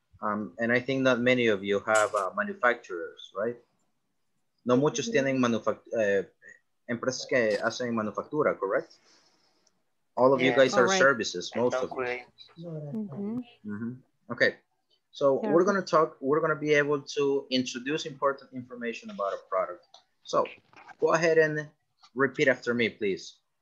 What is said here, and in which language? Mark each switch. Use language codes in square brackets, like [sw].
[en] And I think not many of you have manufacturers, right? [es] No muchos tienen empresas que hacen manufactura, [en] correct? All of you guys are services, most of you. Mm-hmm. Okay, so we're gonna be able to introduce important information about a product. So go ahead and repeat after me, please.